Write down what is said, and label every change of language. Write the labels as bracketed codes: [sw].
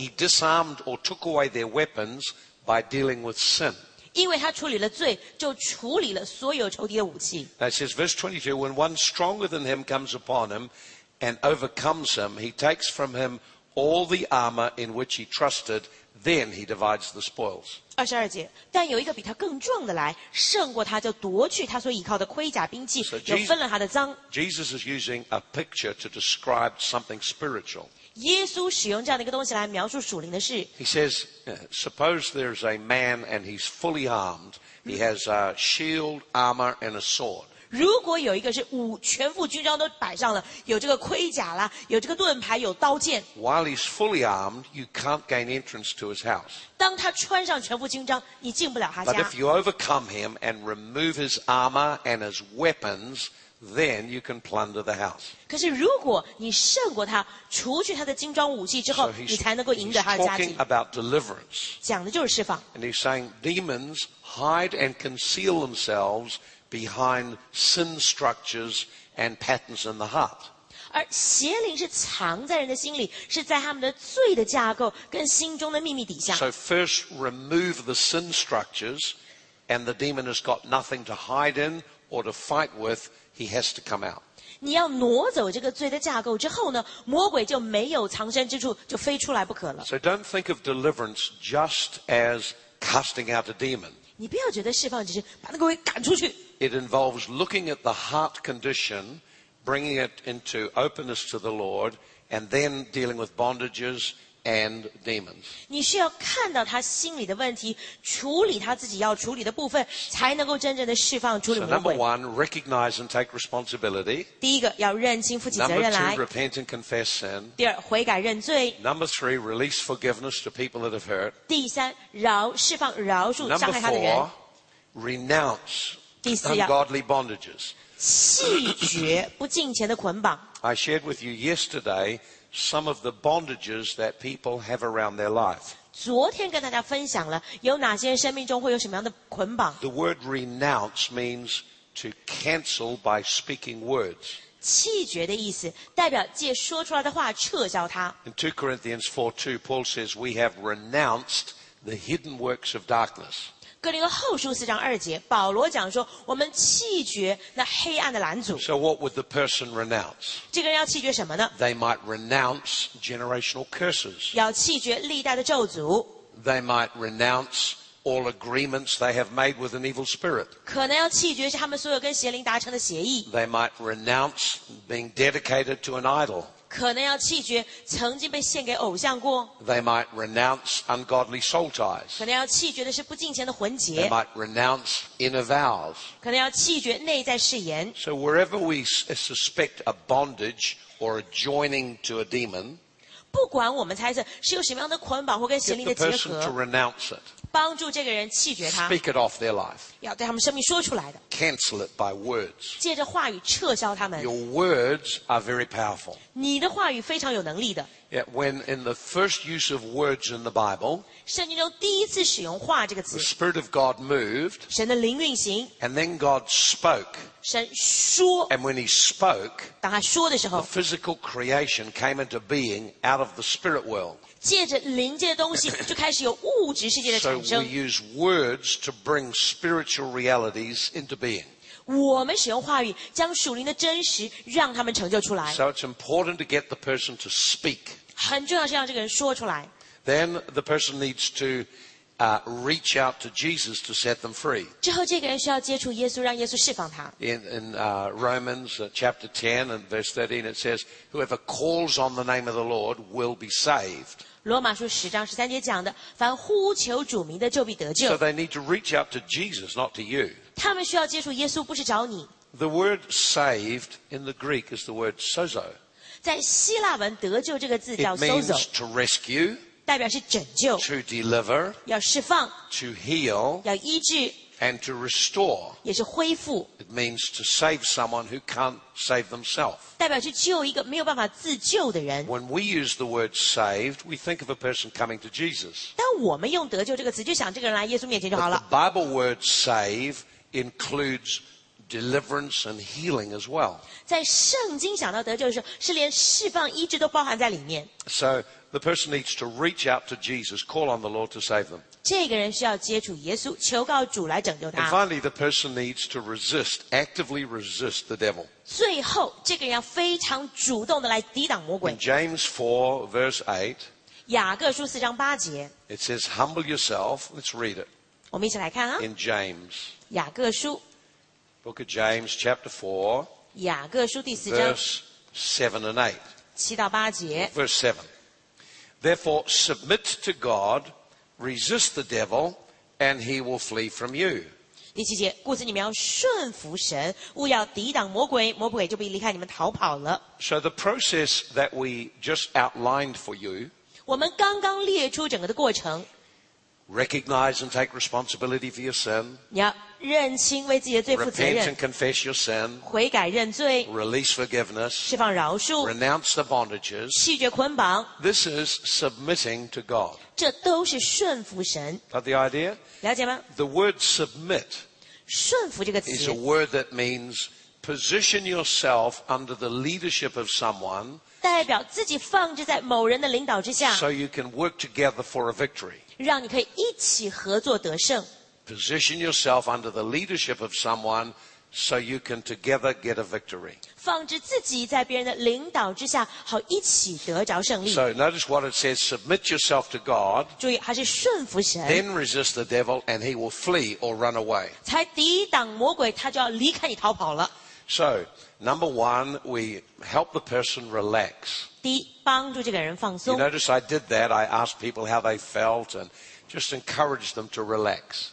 [en] He disarmed or took away their weapons by dealing with sin. [zh] 因为他处理了罪，就处理了所有仇敌的武器。 [en] It says verse 22, when one stronger than him comes upon him and overcomes him, he takes from him all the armor in which he trusted, then he divides the spoils. [zh] 22节，但有一个比他更壮的来，胜过他就夺去他所倚靠的盔甲兵器，又分了他的赃。 [en] Jesus is using a picture to describe something spiritual. [zh] 耶稣使用这样的一个东西来描述属灵的事。 [en] He says, suppose there's a man and he's fully armed. He has a shield, armor, and a sword. [zh] 如果有一个是武全副军装都摆上了，有这个盔甲啦，有这个盾牌，有刀剑。 [en] While he's fully armed, you can't gain entrance to his house. [zh] 当他穿上全副军装，你进不了他家。 [en] But if you overcome him and remove his armor and his weapons,Then you can plunder the house. [zh] 可是如果你胜过他，除去他的精装武器之后，你才能够赢得他的家庭。 [en] He's talking about deliverance. [zh] 讲的就是释放。 [en] And he's saying demons hide and conceal themselves behind sin structures and patterns in the heart. [zh] 而邪灵是藏在人的心里，是在他们的罪的架构跟心中的秘密底下。 [en] So first remove the sin structures, and the demon has got nothing to hide in or to fight with. He has to come out. [zh] 你要挪走这个罪的架构之后呢，魔鬼就没有藏身之处，就非出来不可了。 [en] So don't think of deliverance just as casting out a demon. [zh] 你不要觉得释放只是把那个鬼赶出去。 [en] It involves looking at the heart condition, bringing it into openness to the Lord, and then dealing with bondages. And demons. [zh] 你需要看到他心里的问题，处理他自己要处理的部分，才能够真正的释放出来。 [en] So number one, recognize and take responsibility. [zh] 第一个要认清负起责任来。 [en] Number two, repent and confess sin. [zh] 第二，悔改认罪。 [en] Number three, release forgiveness to people that have hurt. [zh] 第三，释放饶恕伤害他的人。 [en] Number four, renounce ungodly bondages. [zh] 弃绝不敬虔的捆绑。 [en] I shared with you yesterday. Some of the bondages that people have around their life. [zh] 昨天跟大家分享了有哪些生命中会有什么样的捆绑。 [en] The word renounce means to cancel by speaking words. [zh] 弃绝的意思代表借说出来的话撤销它。 [en] In 2 Corinthians 4:2, Paul says, we have renounced the hidden works of darkness. [zh] 哥林多后书四章二节，保罗讲说，我们弃绝那黑暗的拦阻。 [en] So what would the person renounce? [zh] 这个人要弃绝什么呢？ [en] They might renounce generational curses. [zh] 要弃绝历代的咒诅。 [en] They might renounce all agreements they have made with an evil spirit. [zh] 可能要弃绝是他们所有跟邪灵达成的协议。 [en] They might renounce being dedicated to an idol. [zh] 可能要弃绝曾经被献给偶像过。 [en] They might renounce ungodly soul ties. [zh] 可能要弃绝的是不敬虔的魂结。 [en] They might renounce inner vows. [zh] 可能要弃绝内在誓言。 [en] So wherever we suspect a bondage or a joining to a demon, [zh] 不管我们猜测是有什么样的捆绑或跟邪灵的结合 [en] get the person to renounce it. [zh] 帮助这个人弃绝他。 [en] Speak it off their life. [zh] 要对他们生命说出来的。 [en] Cancel it by words. [zh] 借着话语撤销他们。 [en] Your words are very powerful. [zh] 你的话语非常有能力的。 [en] Yeah, when in the first use of words in the Bible, [zh] 圣经中第一次使用话这个词 [en] the Spirit of God moved, [zh] 神的灵运行 [en] and then God spoke. [zh] 神说 [en] and when he spoke, [zh] 当他说的时候 [en] the physical creation came into being out of the spirit world. [zh] 借着灵界的东西就开始有物质世界的产生。 [en] So we use words to bring spiritual realities into being. [zh] 我们使用话语将属灵的真实让他们成就出来。 [en] So it's important to get the person to speak. [zh] 很重要是让这个人说出来。 [en] Then the person needs to, reach out to Jesus to set them free. [zh] 之后这个人需要接触耶稣让耶稣释放他。 [en] Romans chapter 10 and verse 13 it says, whoever calls on the name of the Lord will be saved. [zh] 罗马书十章十三节讲的，凡呼求主名的就必得救。 [en] So they need to reach out to Jesus, not to you. [zh] 他们需要接触耶稣，不是找你。 [en] The word saved in the Greek is the word sozo. [zh] 在希腊文得救这个字叫 [en] sozo。It means to rescue。 [zh] 代表是拯救。 [en] To deliver。 [zh] 要释放。 [en] To heal。 [zh] 要医治。 [en] And to restore。 [zh] 也是恢复。 [en] It means to save someone who can't save themselves。 [zh] 代表去救一个没有办法自救的人。 [en] When we use the word saved, we think of a person coming to Jesus。 [zh] 但我们用得救这个词，就想这个人来耶稣面前就好了。 [en] The Bible word save includes deliverance and healing as well。 [zh] 在圣经想到得救的时候，是连释放、医治都包含在里面。 [en] So the person needs to reach out to Jesus, call on the Lord to save them。 [zh] 这个人需要接触耶稣，求告主来拯救他。 [en] And finally, the person needs to resist, actively resist the devil。 [zh] 最后，这个人要非常主动的来抵挡魔鬼。 [en] In James 4, verse 8, [zh] 雅各书四章八节 [en] ，It says, "Humble yourself." Let's read it。 [zh] 我们一起来看啊。 [en] In James, [zh] 雅各书。 [en] Book of James, chapter 4, [zh] 雅各书第四章, [en] verse 7 and 8. [zh] 七到八节, [en] verse 7. Therefore, submit to God, resist the devil, and he will flee from you. [zh] 第七节, 故此你们要顺服神, 务要抵挡魔鬼, 魔鬼就必离开你们逃跑了。 [en] So the process that we just outlined for you, [zh] 我们刚刚列出整个的过程, [en] recognize and take responsibility for your sin, [zh] 你要认清为自己的罪负责任 [en] Repent and confess your sin, [zh] 悔改认罪 [en] Release forgiveness, [zh] 释放饶恕 [en] Renounce the bondages, [zh] 弃绝捆绑 [en] This is submitting to God. [zh] 这都是顺服神 [en] Got the idea? [zh] 了解吗 [en] The word submit [zh] 顺服这个词 [en] is a word that means position yourself under the leadership of someone [zh] 代表自己放置在某人的领导之下 [en] so you can work together for a victory. [zh] 让你可以一起合作得胜 [en] Position yourself under the leadership of someone so you can together get a victory. [zh] 放置自己在别人的领导之下好一起得着胜利。 [en] So notice what it says, submit yourself to God. [zh] 注意还是顺服神。 [en] Then resist the devil and he will flee or run away. [zh] 才抵挡魔鬼他就要离开你逃跑了。 [en] So, number one, we help the person relax. [zh] 第一帮助这个人放松。 [en] You notice I did that, I asked people how they felt andJust encourage them to relax.